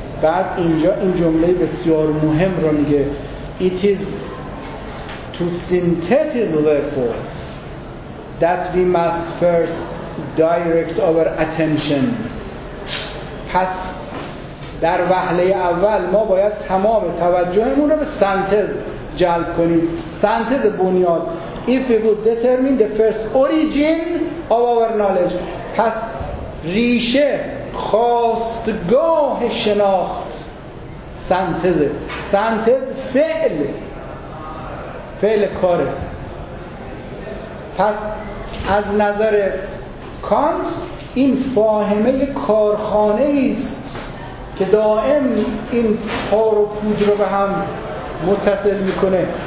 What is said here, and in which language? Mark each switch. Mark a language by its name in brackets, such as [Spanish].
[Persian] بعد اینجا این جمله بسیار مهم رو میگه [English] It is to synthesize therefore that we must first direct our attention. [Persian] پس در وهله اول ما باید تمام توجهمون رو به سنتز جلب کنیم، سنتز بنیاد. [English] If we would determine the first origin of our knowledge. [Persian] پس ریشه، خواستگاه شناخت سنتزه. سنتز فعل، فعل کاره. پس از نظر کانت این فاهمه کارخانه است که دائم این تار و پود رو به هم متصل میکنه.